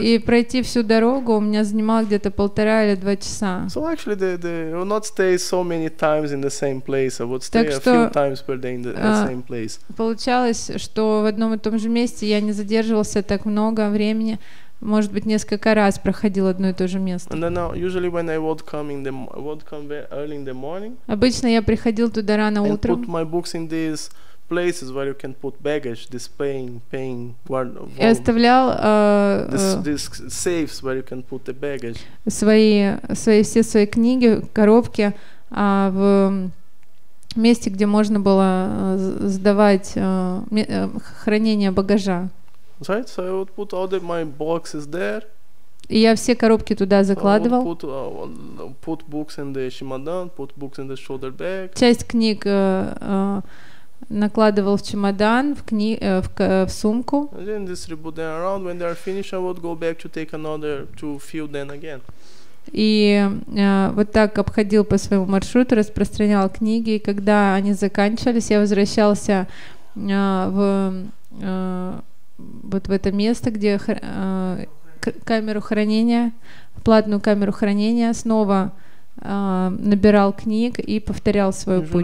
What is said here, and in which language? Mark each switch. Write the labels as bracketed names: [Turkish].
[Russian] И пройти всю дорогу у меня занимало где-то полтора или два часа. [English] So actually the would not stay so many times in the same place. I would stay [Russian] так [English] a [Russian] что, [English] few times per day in the same place. [Russian] Получалось, что в одном и том же месте я не задерживался так много времени. Может быть, несколько раз проходил одно и то же место. [English] And then usually when I would come in the would come early in the morning. [Russian] Обычно я приходил туда рано утром. [English] And put my books in this places where you can put baggage, displaying [Russian] wardrobe. Я оставлял [English] this safes where you can put the baggage. [Russian] Свои все свои книги, коробки, в месте, где можно было сдавать хранение багажа. [English] Right, so I would put all the my boxes there. [Russian] И я все коробки туда закладывал. [English] Put books in the чемодан, put books in the shoulder bag. [Russian] Часть книг накладывал в чемодан, в сумку. [English] Then distribute them around. When they are finished, I would go back to take another to fill them again. [Russian] И вот так обходил по своему маршруту, распространял книги. И когда они заканчивались, я возвращался в это место, где камеру хранения, платную камеру хранения, снова набирал книг и повторял свой путь.